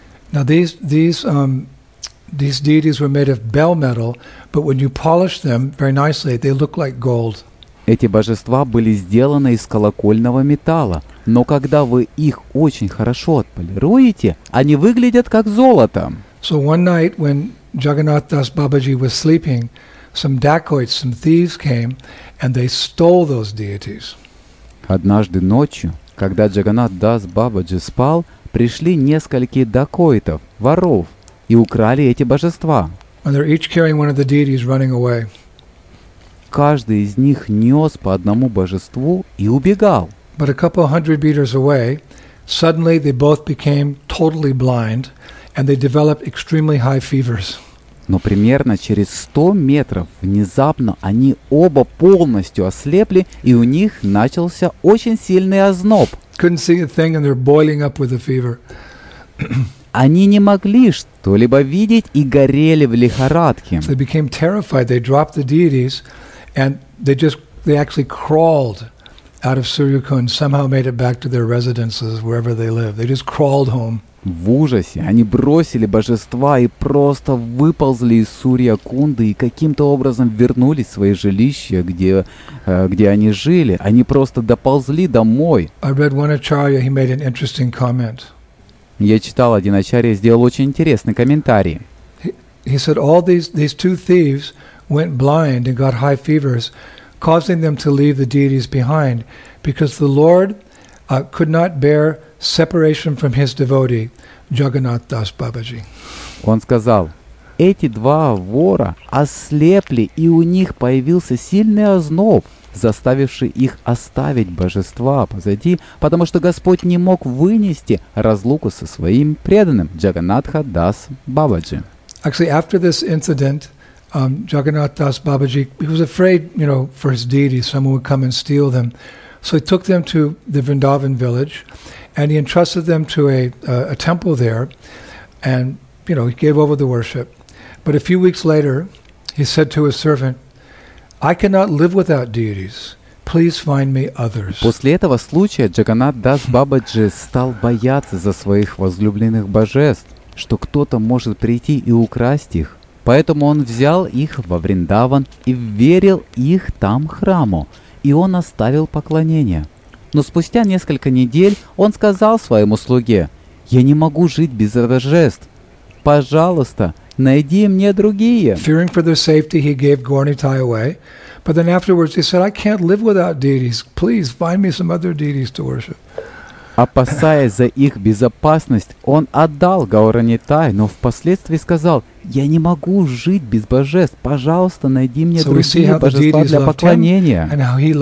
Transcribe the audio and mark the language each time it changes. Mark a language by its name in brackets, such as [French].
[English] Now these deities were made of bell metal, but when you polish them very nicely, they look like gold. [Russian] Эти божества были сделаны из колокольного металла, но когда вы их очень хорошо отполируете, они выглядят как золото. [English] So one night when Jagannath Das Babaji was sleeping, some dacoits, some thieves came, and they stole those deities. [Russian] Однажды ночью, когда Джаганнат Дас Бабаджи спал, пришли несколько дакоитов, воров, и украли эти божества. [English] And they're each carrying one of the deities running away. [Russian] Каждый из них нес по одному божеству и убегал. [English] But a couple hundred meters away, suddenly they both became totally blind, and they developed extremely high fevers. [Russian] Но примерно через 100 метров внезапно они оба полностью ослепли, и у них начался очень сильный озноб. [English] Couldn't see a thing, and they're boiling up with a fever. [Russian] Они не могли что-либо видеть и горели в лихорадке. [English] They became terrified. They dropped the deities, and they actually crawled out of Suryakund, somehow made it back to their residences, wherever they live. They just crawled home. [Russian] В ужасе они бросили божества и просто выползли из Сурья-Кунды и каким-то образом вернулись в свои жилища, где они жили. Они просто доползли домой. [English] I read one acharya, he made an interesting comment. [Russian] Я читал один ачарья, сделал очень интересный комментарий. [English] He said all these two thieves went blind and got high fevers, causing them to leave the deities behind, because the Lord could not bear separation from his devotee, Jagannath Das Babaji. [Russian] Он сказал, эти два вора ослепли, и у них появился сильный озноб, заставивший их оставить божества позади, потому что Господь не мог вынести разлуку со своим преданным, Jagannatha Das Babaji. [English] Actually, after this incident, Jagannath Das Babaji, he was afraid, you know, for his deities, someone would come and steal them. So he took them to the Vrindavan village, and he entrusted them to a temple there, and, you know, he gave over the worship. But a few weeks later, he said to his servant, I cannot live without deities. Please find me others. [Russian] После этого случая Джаганнат Дас Бабаджи стал бояться за своих возлюбленных божеств, что кто-то может прийти и украсть их. Поэтому он взял их во Вриндаван и верил их там храму. И он оставил поклонение. Но спустя несколько недель он сказал своему слуге, «Я не могу жить без божеств. Пожалуйста, найди мне другие». [English] Fearing for their safety, he gave Gornitai away. But then afterwards he said, «I can't live without deities. Please, find me some other deities to worship». [Russian] Опасаясь за их безопасность, он отдал Гауранитай, но впоследствии сказал, «Я не могу жить без божеств. Пожалуйста, найди мне другие божества для поклонения».